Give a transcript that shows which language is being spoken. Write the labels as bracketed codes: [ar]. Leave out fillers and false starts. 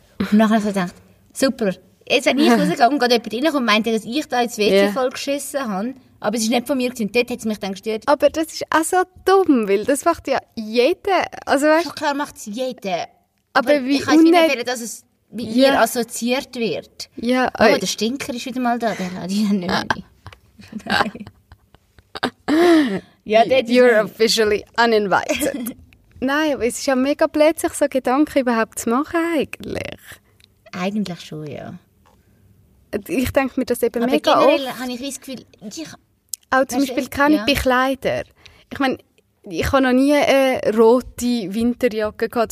[de] Und nachher habe ich gedacht, super. Jetzt, wenn ich rausgegangen und gerade jemand reinkommt und meinte, dass ich da ins WC voll geschissen habe. Aber es war nicht von mir. Gewesen. Dort hat es mich dann gestört. Aber das ist auch so dumm, weil das macht ja jeder. Also weißt, schon klar macht es jeder. Aber wie ich kann nicht wählen, dass es mit ihr assoziiert wird. Ja, oh, der Stinker ist wieder mal da. Den lasse ich dann nicht mehr. [en] You're officially uninvited. [de] Nein, aber es ist ja mega blöd, sich so Gedanken überhaupt zu machen eigentlich. Eigentlich schon, ja. Ich denke mir das eben aber mega generell oft. Generell habe ich das Gefühl, ich... Auch zum Beispiel keine Bekleider. Ich meine, ich habe noch nie eine rote Winterjacke gehabt.